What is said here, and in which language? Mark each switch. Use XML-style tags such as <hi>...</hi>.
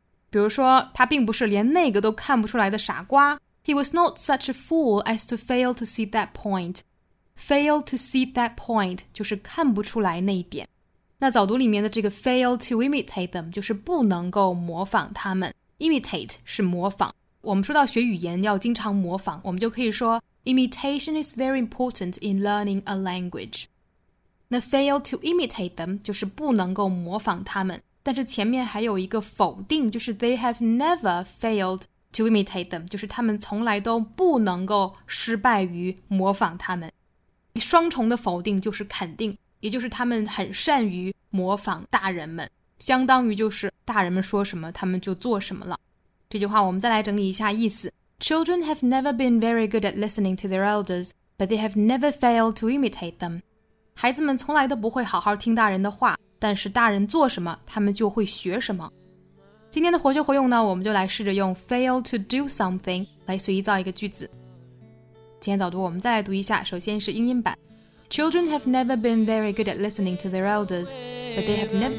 <zh>比如说他并不是连那个都看不出来的傻瓜。</zh> <en>He was not such a fool as to fail to see that point. Fail to see that point</en> <zh>就是看不出来那一点。那早读里面的这个</zh> <en>fail to imitate them</en> <zh>就是不能够模仿他们。 Imitate 是模仿。我们说到学语言要经常模仿，我们就可以说</zh> <en>Imitation is very important in learning a language.</en> <zh>那</zh> <en>fail to imitate them</en> <zh>就是不能够模仿他们，但是前面还有一个否定，就是</zh> <en>They have never failed to imitate them，</en> <zh>就是他们从来都不能够失败于模仿他们。双重的否定就是肯定，也就是他们很善于模仿大人们，相当于就是大人们说什么他们就做什么了。这句话我们再来整理一下意思。</zh> <en>Children have never been very good at listening to their elders, but they have never failed to imitate them.</en> <zh>孩子们从来都不会好好听大人的话，但是大人做什么，他们就会学什么。今天的活学活用呢，我们就来试着用</zh> <en>fail to do something</en> <zh>来随意造一个句子。今天早读我们再来读一下，首先是英音版。</zh> <en>Children have never been very good at listening to their elders, but they have never...</en>